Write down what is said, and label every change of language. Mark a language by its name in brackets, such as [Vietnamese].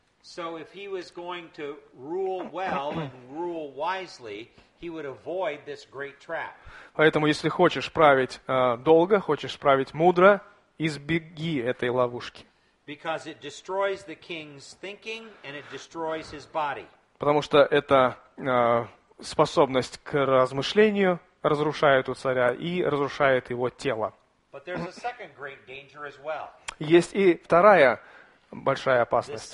[English] So if he was going to rule well and rule wisely, he would avoid this great trap. [Russian] Поэтому, если хочешь править долго, хочешь править мудро, избеги этой ловушки. [English] Because it destroys the king's thinking and it destroys his body. [Russian] Потому что это способность к размышлению разрушает у царя и разрушает его тело. [English] But there's a second great danger as well. [Russian] Есть и вторая большая опасность.